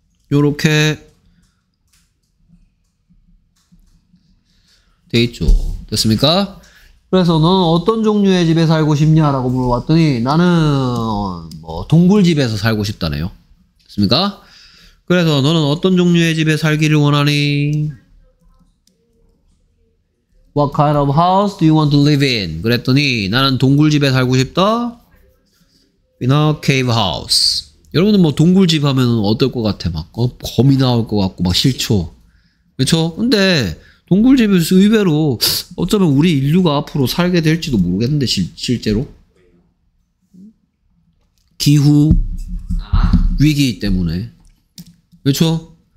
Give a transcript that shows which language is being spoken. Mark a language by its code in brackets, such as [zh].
[ko] 요렇게 돼있죠. 됐습니까? 그래서 너는 어떤 종류의 집에 살고 싶냐라고 물어봤더니 나는 뭐 동굴 집에서 살고 싶다네요. 됐습니까? 그래서 너는 어떤 종류의 집에 살기를 원하니? [en] What kind of house do you want to live in? [ko] 그랬더니 나는 동굴 집에 살고 싶다. [en] In a cave house. [ko] 여러분들 뭐 동굴 집 하면 어떨 것 같아? 막 거미 나올 것 같고 막 싫죠. 그렇죠? 근데 동굴 집은 의외로 어쩌면 우리 인류가 앞으로 살게 될지도 모르겠는데 실제로 기후 위기 때문에 그렇죠?